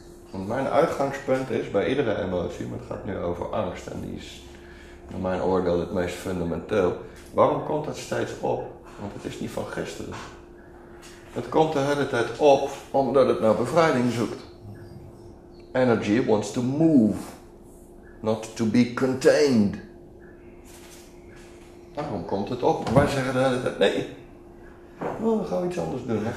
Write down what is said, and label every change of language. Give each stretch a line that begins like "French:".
Dutch: Want mijn uitgangspunt is bij iedere emotie, maar het gaat nu over angst en die is naar mijn oordeel het meest fundamenteel. Waarom komt dat steeds op? Want het is niet van gisteren. Het komt de hele tijd op omdat het naar bevrijding zoekt.
English: Energy wants to move, not to be contained.
Dutch: Waarom komt het op? Wij zeggen de hele tijd, nee. Oh, dan gaan we iets anders doen.